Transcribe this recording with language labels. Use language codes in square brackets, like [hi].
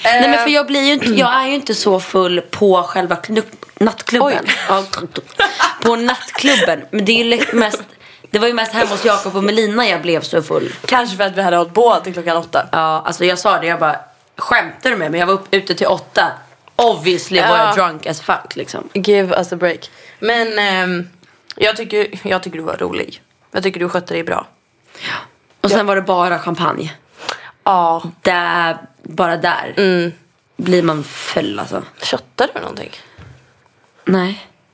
[sv] Nej, men för jag blir ju inte, jag är ju inte så full på själva nattklubben. På nattklubben. Men det är ju mest, det var ju mest hemma hos Jakob och Melina jag blev så full. Kanske för att vi hade hållit på till klockan 8. Ja, alltså jag sa det, jag bara, skämtar du med mig? Jag var ute till 8. [en] Obviously [sv] var jag [en] drunk as fuck [sv] liksom. [en] Give us a break. [sv] Men jag tycker du var rolig. Jag tycker du skötte dig bra. Ja. Och sen var det bara champagne. Ja. Bara där. Mm. Blir man full alltså. Köttar du någonting? Nej.